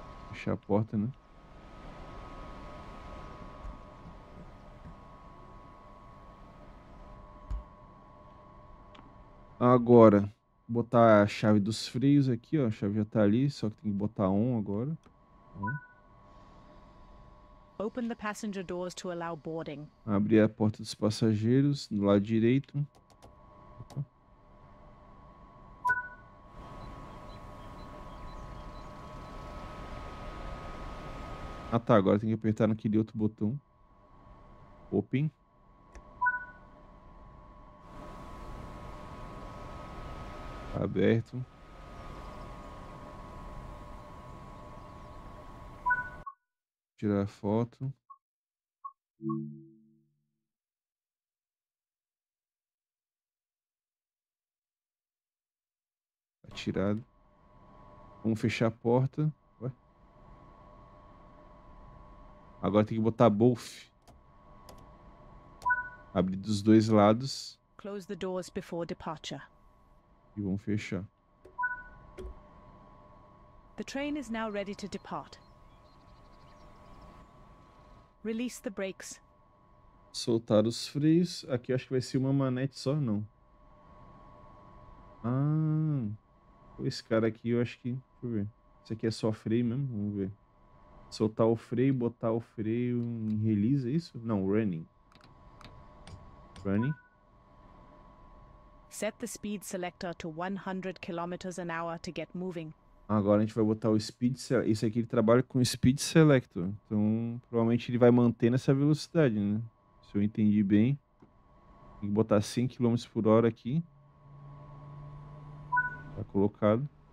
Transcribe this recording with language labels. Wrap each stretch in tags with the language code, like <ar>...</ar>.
<pt>Fechar a porta, né? Agora, botar a chave dos freios aqui, ó. A chave já tá ali, só que tem que botar on agora.</pt> <en>Open the passenger doors to allow boarding.</en> <pt>Abrir a porta dos passageiros no lado direito. Opa. Ah, tá. Agora tem que apertar naquele outro botão.</pt> <en>Open.</en> <pt>Aberto. Tirar a foto. Atirado. Vamos fechar a porta. Ué? Agora tem que botar both. Abrir dos dois lados.</pt> <en>Close the doors before departure.</en> <pt>E vamos fechar.</pt> <en>The train is now ready to depart. Release the brakes.</en> <pt>Soltar os freios. Aqui acho que vai ser uma manete só, não. Ah, esse cara aqui eu acho que. Deixa eu ver. Esse aqui é só freio mesmo. Vamos ver. Soltar o freio, botar o freio em release, é isso? Não,</pt> <en>running. Running. Set the speed selector to 100 km an hour to get moving.</en> <pt>Agora a gente vai botar o speed select. Esse aqui ele trabalha com speed selector. Então, provavelmente ele vai manter nessa velocidade, né? Se eu entendi bem. Tem que botar 100 km por hora aqui. Tá colocado.</pt>